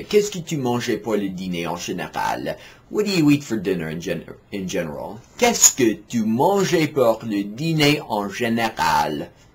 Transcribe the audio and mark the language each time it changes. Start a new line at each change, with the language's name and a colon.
French: Qu'est-ce que tu manges pour le dîner en général?
English: What do you eat for dinner in general?
French: Qu'est-ce que tu manges pour le dîner en général?